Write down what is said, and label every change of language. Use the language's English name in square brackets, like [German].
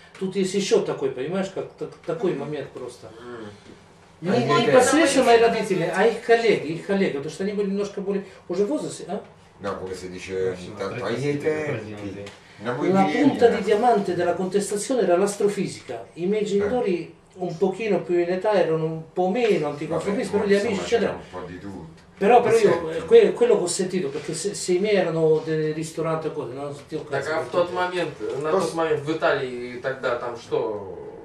[Russian] Тут есть еще такой, понимаешь, как такой момент просто. Не непосредственно мои родители, а их коллеги, потому что они были немножко более уже в возрасте, а? Да, потому что еще там твои идеи. [Italian] La punta di diamante della contestazione era l'astrofisica. I miei genitori un pochino più in età erano un po' meno anticonformisti, però gli amici eccetera. Però io quello che ho sentito, perché se i miei erano del ristorante o cose, non ti ho capito. [Russian] Так, а в тот момент, на тот момент в Италии тогда там что?